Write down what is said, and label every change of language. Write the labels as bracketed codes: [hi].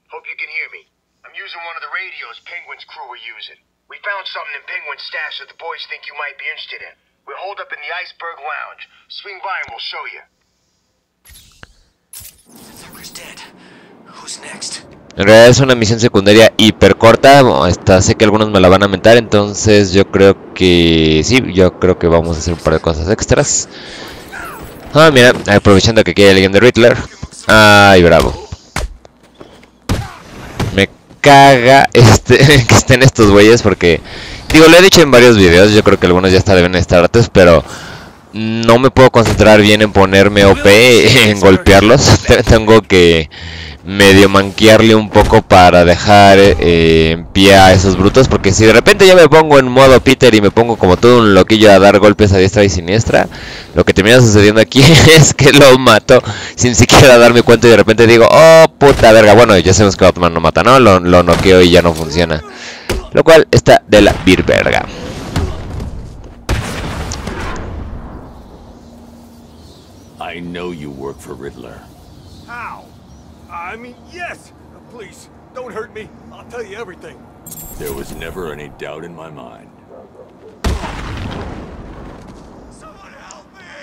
[en] I'm using one of the radios Penguin's crew are using. We found something in Penguin's stash that the boys think you might be interested in. We'll hold up in the Iceberg Lounge. Swing by and we'll show you. The Joker's dead. Who's next? [es] En realidad es una misión secundaria hiper corta. Hasta sé que algunos me la van a mentar, entonces yo creo que... sí, yo creo que vamos a hacer un par de cosas extras. Ah, mira, aprovechando que aquí hay alguien de Riddler. Ay, bravo. Caga que estén estos güeyes, porque digo, lo he dicho en varios videos, yo creo que algunos ya hasta deben estar antes, pero no me puedo concentrar bien en ponerme OP, en golpearlos. Tengo que medio manquearle un poco para dejar en pie a esos brutos, porque si de repente ya me pongo en modo Peter y me pongo como todo un loquillo a dar golpes a diestra y siniestra, lo que termina sucediendo aquí es que lo mato sin siquiera darme cuenta y de repente digo: oh, puta verga. Bueno, ya sabemos que Batman no mata, ¿no? Lo noqueo y ya no funciona, lo cual está de la virverga. [en] I know you work for Riddler. How? I mean, yes. Please, don't hurt me. I'll tell you everything. There was never any doubt in my mind. Someone help me!